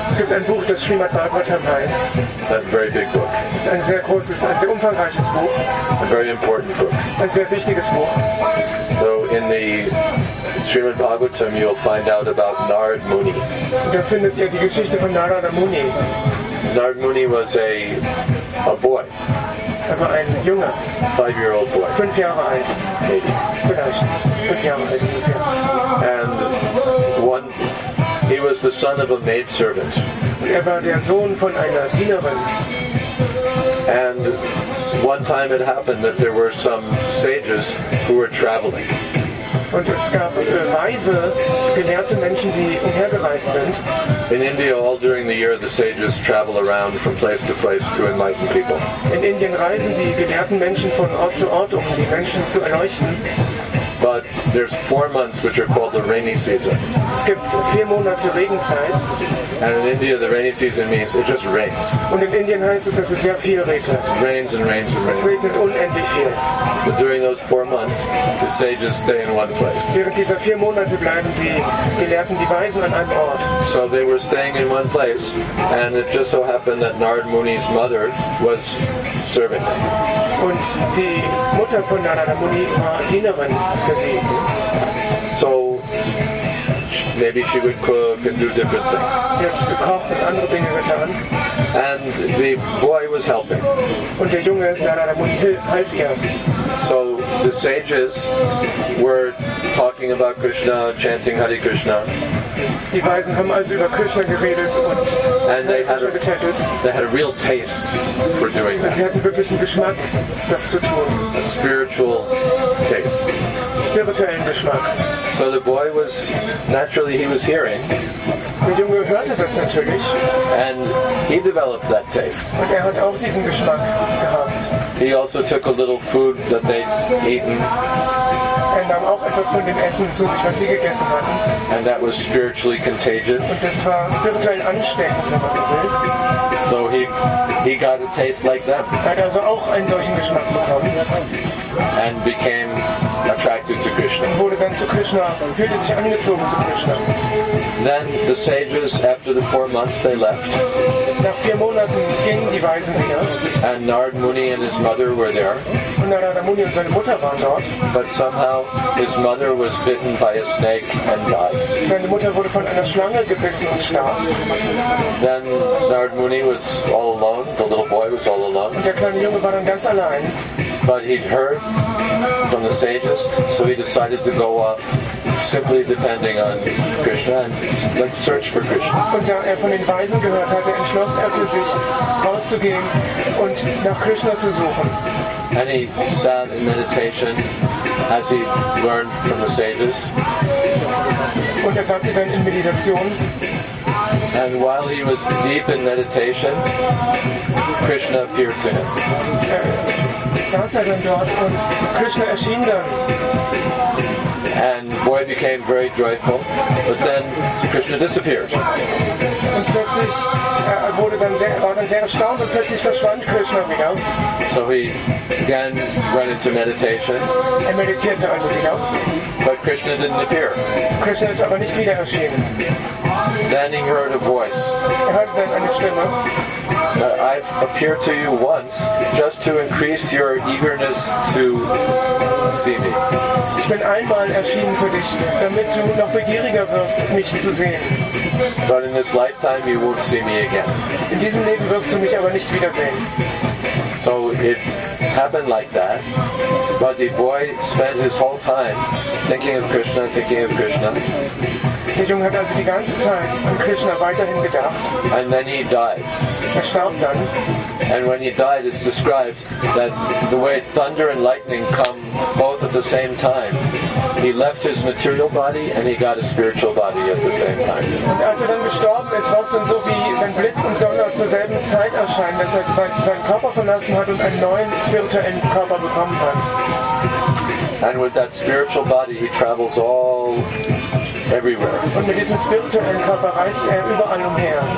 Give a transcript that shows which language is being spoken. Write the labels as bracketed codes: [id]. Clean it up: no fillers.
[de] Es gibt ein Buch, das Srimad Bhagavatam heißt. [en] That very big book. [de] Es ist ein sehr großes, ein sehr umfangreiches Buch. [en] A very important book. [de] Ein sehr wichtiges Buch. [en] So in the Srimad Bhagavatam, you'll find out about Narad Muni. [de] Da findet ihr die Geschichte von Narada Muni. [en] Narad Muni was a boy. [de] Er war ein junger. [en] 5-year-old boy. [de] 5 Jahre alt. [en] Maybe. [de] Vielleicht. 5 Jahre alt. [en] And one, he was the son of a maidservant. [de] Er war der Sohn von einer Dienerin. [en] And one time it happened that there were some sages who were traveling. [de] Und es gab Weise, gelehrte Menschen, die umhergereist sind. [en] In India, all during the year, the sages travel around from place to place to enlighten people. [de] In Indien reisen die gelehrten Menschen von Ort zu Ort, um die Menschen zu erleuchten. [en] But there's 4 months which are called the rainy season. [de] Es gibt 4 Monate Regenzeit. [en] And in India, the rainy season means it just rains. [de] Und in Indien heißt es, dass es sehr viel regnet. [en] Rains and rains and rains. [de] Es regnet unendlich viel. [en] But during those 4 months, the sages stay in one place. [de] Während dieser 4 Monate bleiben die Gelehrten, die Weisen, an einem Ort. [en] So they were staying in one place, and it just so happened that Narad Muni's mother was serving them. [de] Und die Mutter von Narada Muni war Dienerin. [en] So maybe she would cook and do different things. [de] Sie hat gekocht und andere Dinge getan. [en] And the boy was helping. [de] Und der Junge, Narada Muni, half ihr. [en] So the sages were talking about Krishna, chanting Hare Krishna. [de] Die Weisen haben also über Krishna geredet und Krishna gechantet. [en] They had a real taste for doing that. [de] Sie hatten wirklich einen Geschmack, das zu tun. [en] A spiritual taste. [de] Spirituellen Geschmack. [en] So the boy was, naturally he was hearing. [de] Der Junge hörte das natürlich. [en] And he developed that taste. [de] Und er hat auch diesen Geschmack gehabt. [en] He also took a little food that they'd eaten. [de] Er nahm auch etwas von dem Essen zu sich, was sie gegessen hatten. [en] And that was spiritually contagious. [de] Und das war spirituell ansteckend, wenn man so will. [en] So he got a taste like that. [de] Er hat also auch einen solchen Geschmack bekommen. [en] And became attracted to Krishna. [de] Und wurde dann zu Krishna, fühlte sich angezogen zu Krishna. [en] Then the sages, after the 4 months, they left. [de] Nach 4 Monaten gingen die Weisen wieder. [en] And Narad Muni and his mother were there. [de] Und Narada Muni und seine Mutter waren dort. [en] But somehow his mother was bitten by a snake and died. [de] Seine Mutter wurde von einer Schlange gebissen und starb. [en] Then Narad Muni was all alone. The little boy was all alone. [de] Und der kleine Junge war dann ganz allein. [en] But he'd heard from the sages, so he decided to go off simply depending on Krishna and let's search for Krishna. [de] Und da er von den Weisen gehört hatte, entschloss er für sich rauszugehen und nach Krishna zu suchen. [en] And he sat in meditation as he learned from the sages. [de] Und er sagte dann in Meditation. [en] And while he was deep in meditation, Krishna appeared to him. [de] Saß er dann dort und Krishna erschien dann. [en] And boy became very joyful, but then Krishna disappeared. [de] Und plötzlich war dann sehr erstaunt und plötzlich verschwand Krishna wieder. [en] So he again went into meditation. [de] Er meditierte also wieder. [en] But Krishna didn't appear. [de] Krishna ist aber nicht wieder erschienen. [en] Then he heard a voice. [de] Er hörte dann eine Stimme. [en] I've appeared to you once just to increase your eagerness to see me. [de] Ich bin einmal erschienen für dich, damit du noch begieriger wirst, mich zu sehen. [en] But in this lifetime you won't see me again. [de] In diesem Leben wirst du mich aber nicht wiedersehen. [en] So it happened like that, but the boy spent his whole time thinking of Krishna, thinking of Krishna. [de] Der Junge hat also die ganze Zeit an Krishna weiterhin gedacht. [en] And then he died. [de] Er starb dann. [en] And when he died, it's described that the way thunder and lightning come both at the same time, he left his material body and he got a spiritual body at the same time. [de] Und als er dann gestorben ist, war es dann so, wie wenn Blitz und Donner zur selben Zeit erscheinen, dass er seinen Körper verlassen hat und einen neuen spirituellen Körper bekommen hat. [en] And with that spiritual body, he travels all everywhere. [de] Und mit diesem spirituellen Körper reist er überall umher.